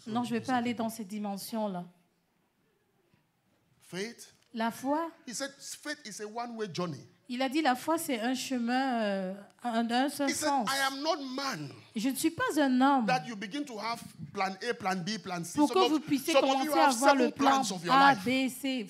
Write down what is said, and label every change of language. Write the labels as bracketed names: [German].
[French] Non, non, je vais pas aller dans cette dimension là. [English] Faith. [French] La foi. [English] He said, faith is a one-way journey. [French] Il a dit la foi c'est un chemin d'un seul sens. [English] I am not man. [French] Je ne suis pas un homme. [English] That you begin to have plan A, plan B, plan C. [French] Pour que vous puissiez commencer à avoir le plan A, B, C.